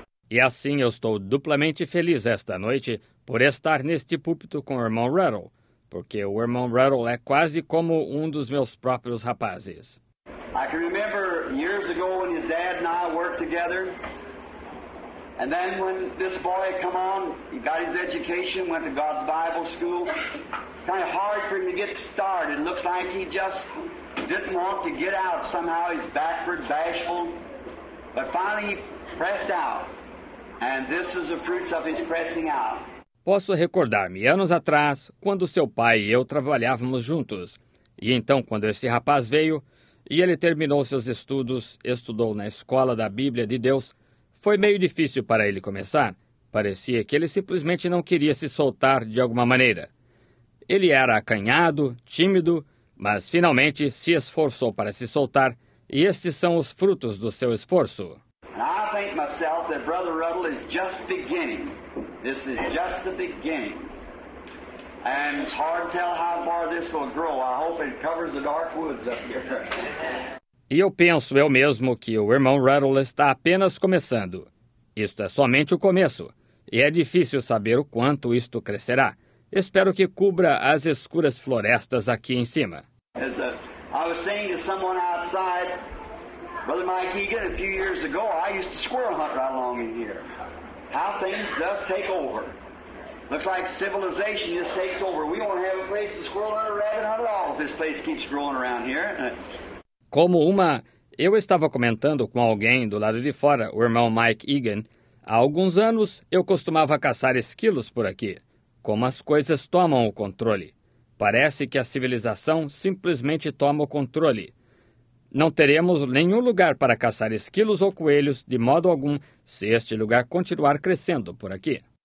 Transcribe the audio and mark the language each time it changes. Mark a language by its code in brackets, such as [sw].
[pt] E assim eu estou duplamente feliz esta noite por estar neste púlpito com o irmão Ruddle, porque o irmão Ruddle é quase como um dos meus próprios rapazes. [en] I can remember years ago when his dad and I worked together, and then when this boy come on, he got his education, went to God's Bible school. Kind of hard for him to get started. Looks like he just didn't want to get out somehow. He's backward, bashful, but finally he pressed out. And this is the fruits of his pressing out. [pt] Posso recordar-me anos atrás, quando seu pai e eu trabalhávamos juntos. E então, quando esse rapaz veio e ele terminou seus estudos, estudou na escola da Bíblia de Deus, foi meio difícil para ele começar. Parecia que ele simplesmente não queria se soltar de alguma maneira. Ele era acanhado, tímido, mas finalmente se esforçou para se soltar. E estes são os frutos do seu esforço. [en] Myself that Brother Ruddle is just beginning. This is just the beginning. And it's hard to tell how far this will grow. I hope it covers the dark woods up here. [pt] E eu penso eu mesmo que o irmão Ruddle está apenas começando. Isto é somente o começo. E é difícil saber o quanto isto crescerá. Espero que cubra as escuras florestas aqui em cima. [en] I was saying to someone outside, Brother Mike Egan, a few years ago, I used to squirrel hunt right along in here. How things just take over. Looks like civilization just takes over. We won't have a place to squirrel hunt or rabbit hunt at all if this place keeps growing around here. [pt] Como uma... Eu estava comentando com alguém do lado de fora, o irmão Mike Egan. Há alguns anos, eu costumava caçar esquilos por aqui. Como as coisas tomam o controle. Parece que a civilização simplesmente toma o controle. Não teremos nenhum lugar para caçar esquilos ou coelhos de modo algum se este lugar continuar crescendo por aqui.